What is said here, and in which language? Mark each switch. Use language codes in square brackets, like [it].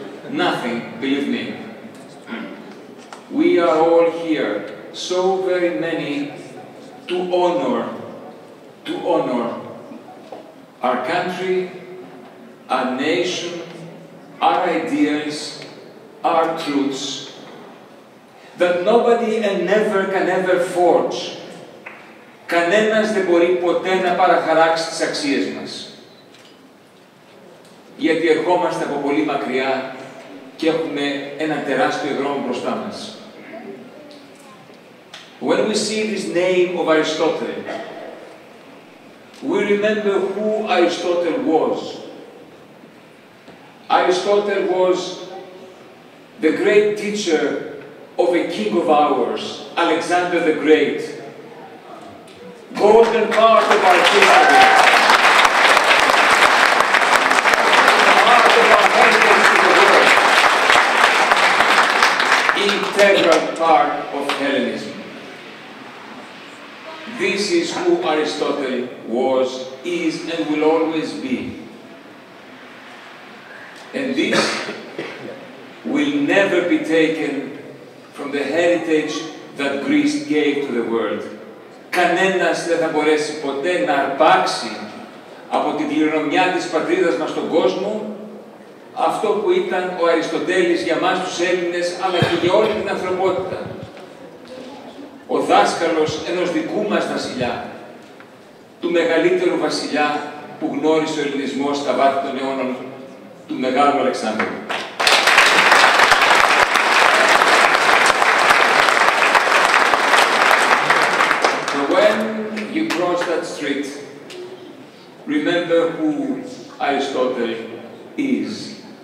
[en] Nothing, believe me. We are all here, so very many, to honor our country, our nation, our ideas, our truths, that nobody and never can ever forge. [el] Κανένας δεν μπορεί ποτέ να παραχαράξει τις αξίες μας. Γιατί ερχόμαστε από πολύ μακριά και έχουμε ένα τεράστιο δρόμο μπροστά μας. [en] When we see this name of Aristotle, we remember who Aristotle was. Aristotle was the great teacher of a king of ours, Alexander the Great. Golden part of our history. Integral part of Hellenism. This is who Aristotle was, is, and will always be. And this will never be taken from the heritage that Greece gave to the world. [el] Κανένας δεν θα μπορέσει ποτέ να αρπάξει από την κληρονομιά της πατρίδας μας στον κόσμο αυτό που ήταν ο Αριστοτέλης για μας τους Έλληνες, αλλά και για όλη την ανθρωπότητα. Ο δάσκαλος ενός δικού μας βασιλιά, του μεγαλύτερου βασιλιά που γνώρισε ο Ελληνισμός στα βάθη των αιώνων, του μεγάλου Αλεξάνδρου. [en] So when you cross that street, remember who Aristotle is.